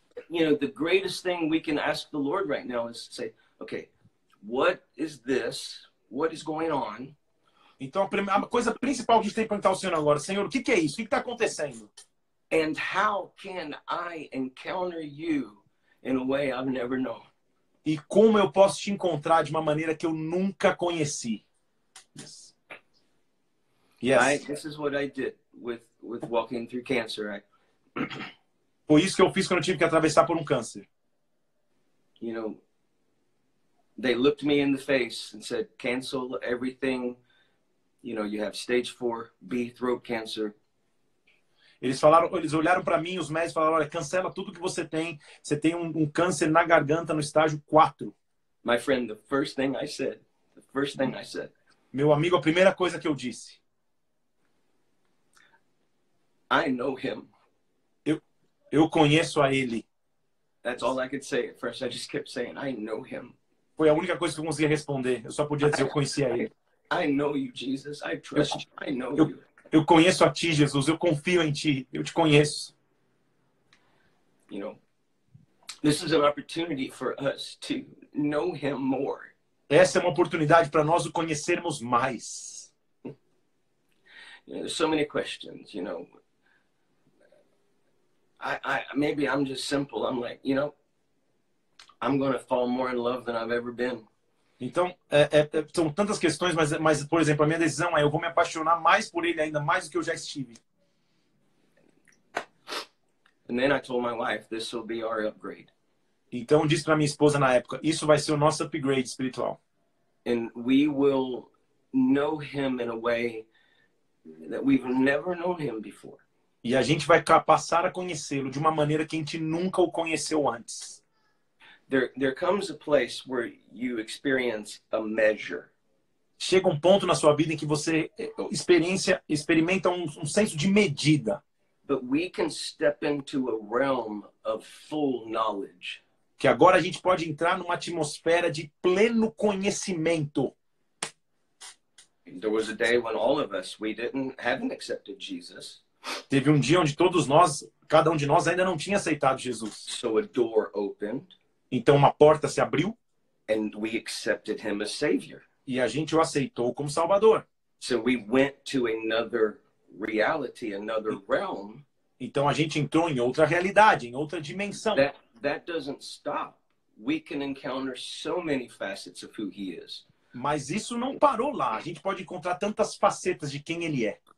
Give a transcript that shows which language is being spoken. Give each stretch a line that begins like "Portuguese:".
English: You know, the greatest thing we can ask the Lord right now is to say, okay, what is this? What is going on?
Portuguese: Então, a coisa principal que a gente tem que perguntar ao Senhor agora, Senhor, o que é isso? O que está acontecendo?
English: And how can I encounter you in a way I've never known?
Portuguese: E como eu posso te encontrar de uma maneira que eu nunca conheci?
English: Yes. Yes. This is what I did with walking through cancer.
Portuguese: Foi isso que eu fiz quando eu tive que atravessar por um câncer.
English: You know, they looked me in the face and said, cancel everything. You know, you have stage 4 B throat cancer.
Portuguese: Eles olharam para mim, os médicos falaram, olha, cancela tudo que você tem. Você tem um câncer na garganta no estágio 4.
English: My friend, the first thing I said.
Portuguese: Meu amigo, a primeira coisa que eu disse.
English: I know him.
Portuguese: Eu conheço a ele.
English: That's all I could say at first. I just kept saying, I know him.
Portuguese: Foi a única coisa que eu conseguia responder. Eu só podia dizer, eu conhecia a ele.
English: I know you, Jesus. I trust you. I know you.
Portuguese: Eu conheço a ti, Jesus. Eu confio em ti. Eu te conheço.
English: You know, this is an opportunity for us to know him more.
Portuguese: Essa é uma oportunidade para nós o conhecermos mais.
English: You know, there's so many questions, you know. I maybe I'm just simple. I'm like, you know, I'm going to fall more in love than I've ever been.
Portuguese: Então, são tantas questões, mas por exemplo, a minha decisão é eu vou me apaixonar mais por ele ainda mais do que eu já estive.
English: And then I told my wife, this will be our upgrade.
Portuguese: Então, disse para minha esposa na época, isso vai ser o nosso upgrade espiritual.
English: And we will know him in a way that we've never known him before.
Portuguese: E a gente vai passar a conhecê-lo de uma maneira que a gente nunca o conheceu antes.
English: there comes a place where you experience a measure.
Portuguese: Chega um ponto na sua vida em que você experimenta um senso de medida.
English: But we can step into a realm of full knowledge.
Portuguese: Que agora a gente pode entrar numa atmosfera de pleno conhecimento.
English: There was a day when all of us, we didn't, hadn't accepted Jesus.
Portuguese: Teve um dia onde todos nós, cada um de nós ainda não tinha aceitado Jesus.
English: So a door opened.
Portuguese: Então uma porta se abriu.
English: And we accepted him as savior.
Portuguese: E a gente o aceitou como salvador.
English: So we went to another reality, another realm.
Portuguese: Então a gente entrou em outra realidade, em outra dimensão.
English: That doesn't stop. We can encounter so many facets of who he is.
Portuguese: Mas isso não parou lá. A gente pode encontrar tantas facetas de quem ele é.